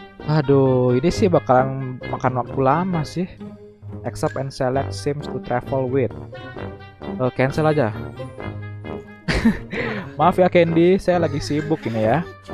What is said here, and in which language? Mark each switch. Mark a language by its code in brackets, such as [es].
[id] Aduh, ini sih bakalan makan waktu lama sih. [en] Accept and select sims to travel with. [id] Cancel aja. Maaf ya Candy, saya lagi sibuk ini ya.